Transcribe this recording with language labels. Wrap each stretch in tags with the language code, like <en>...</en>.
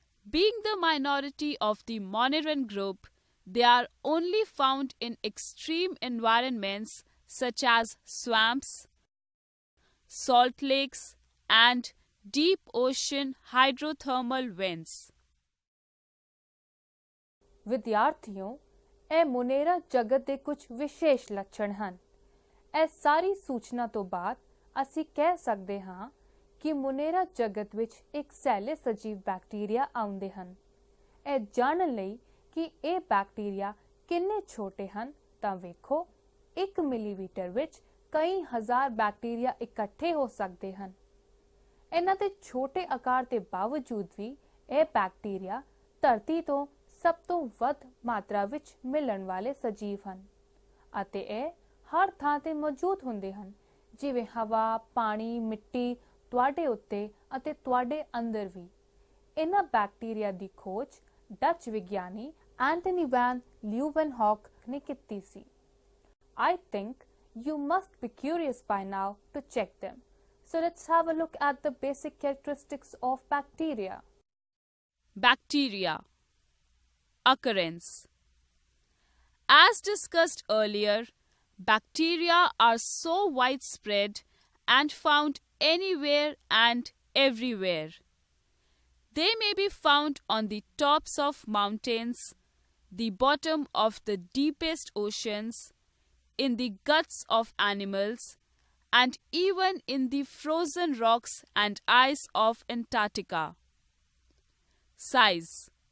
<en>Being the minority of the moneran group, they are only found in extreme environments such as swamps, salt lakes, and deep ocean hydrothermal vents.</en> <pa>ਵਿਦਿਆਰਥੀਓ ਇਹ ਮੋਨੇਰਾ ਜਗਤ ਦੇ ਕੁਝ ਵਿਸ਼ੇਸ਼ ਲੱਛਣ ਹਨ ਇਹ ਸਾਰੀ ਸੂਚਨਾ ਤੋਂ ਬਾਅਦ ਅਸੀਂ ਕਹਿ ਸਕਦੇ ਹਾਂ ਕਿ ਮੋਨੇਰਾ ਜਗਤ ਵਿੱਚ ਇੱਕ ਸੈਲੇ ਸਜੀਵ ਬੈਕਟੀਰੀਆ ਆਉਂਦੇ ਹਨ ਇਹ ਜਾਣਨ ਲਈ ਕਿ ਇਹ ਬੈਕਟੀਰੀਆ ਕਿੰਨੇ ਛੋਟੇ ਹਨ ਤਾਂ ਵੇਖੋ 1 ਮਿਲੀਮੀਟਰ ਵਿੱਚ ਕਈ ਹਜ਼ਾਰ ਬੈਕਟੀਰੀਆ ਇਕੱਠੇ ਹੋ ਸਕਦੇ ਹਨ ਇਹਨਾਂ ਦੇ ਛੋਟੇ ਆਕਾਰ ਦੇ ਬਾਵਜੂਦ ਵੀ ਇਹ ਬੈਕਟੀਰੀਆ ਧਰਤੀ ਤੋਂ ਸਭ ਤੋਂ ਵੱਧ ਮਾਤਰਾ ਵਿੱਚ ਮਿਲਣ ਵਾਲੇ ਸਜੀਵ ਹਨ ਅਤੇ ਇਹ ਹਰ ਥਾਂ ਤੇ ਮੌਜੂਦ ਹੁੰਦੇ ਹਨ ਜਿਵੇਂ ਹਵਾ ਪਾਣੀ ਮਿੱਟੀ ਤੁਹਾਡੇ ਉੱਤੇ ਅਤੇ ਤੁਹਾਡੇ ਅੰਦਰ ਵੀ ਇਹਨਾਂ ਬੈਕਟੀਰੀਆ ਦੀ ਖੋਜ ਡੱਚ ਵਿਗਿਆਨੀ ਐਂਟਨੀ ਵੈਨ ਲਿਊਵਨਹੌਕ ਨੇ ਕੀਤੀ ਸੀ</pa> <en>I think you must be curious by now to check them so let's have a look at the basic characteristics of bacteria bacteria Occurrence. As discussed earlier, bacteria are so widespread and found anywhere and everywhere. They may be found on the tops of mountains, the bottom of the deepest oceans, in the guts of animals, and even in the frozen rocks and ice of Antarctica. Size.</en>